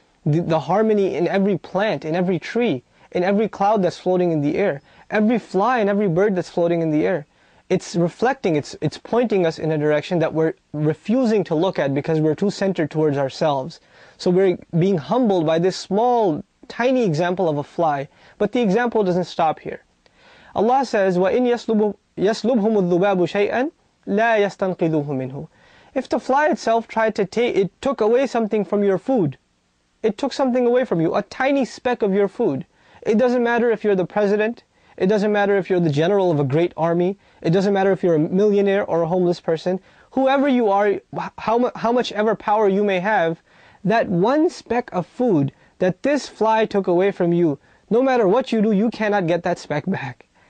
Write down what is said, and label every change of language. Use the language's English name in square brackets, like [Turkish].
[English] The harmony in every plant, in every tree, in every cloud that's floating in the air, every fly and every bird that's floating in the air. It's reflecting, it's pointing us in a direction that we're refusing to look at because we're too centered towards ourselves. So we're being humbled by this small, tiny example of a fly. But the example doesn't stop here. Allah says, [Arabic] وَإِن يَسْلُبْهُمُ الذُّبَابُ شَيْئًا لَا يَسْتَنْقِذُهُ مِنْهُ. [English] If the fly itself tried to take, it took away something from your food. It took something away from you, a tiny speck of your food. It doesn't matter if you're the president. It doesn't matter if you're the general of a great army. It doesn't matter if you're a millionaire or a homeless person. Whoever you are, how much ever power you may have, that one speck of food that this fly took away from you, no matter what you do, you cannot get that speck back.